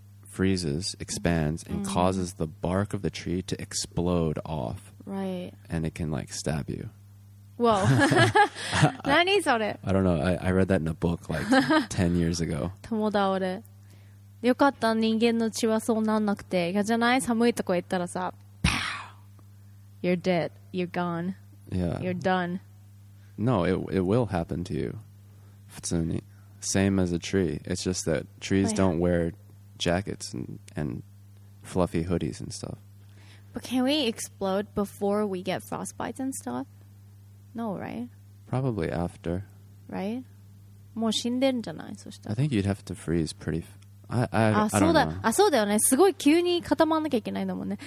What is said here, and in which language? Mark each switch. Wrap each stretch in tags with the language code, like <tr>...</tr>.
<en>freezes, expands, and causes the bark of the tree to explode off. Right. And it can like stab you. Whoa.</en> <ja>何それ?</ja> <en>I don't know. I read that in a book like 10 years ago.</en> <ja>友だ俺。よかった人間の血はそうなんなくて。いやじゃない? 寒いとこ行ったらさ、</ja> <en>pow! You're dead. You're gone. Yeah. You're done. No, it will happen to you.</en> <ja>Futsuni.</ja> <en>Same as a tree. It's just that trees don't wear jackets and fluffy hoodies and stuff. But can we explode before we get frostbites and stuff? No, right? Probably after. Right?</en> <ja>もう死んでんじゃない? そしたら。</ja> <en>I think you'd have to freeze pretty... I don't know.</en> <ja>あ、そうだよね。すごい急に固まんなきゃいけないんだもんね。</ja>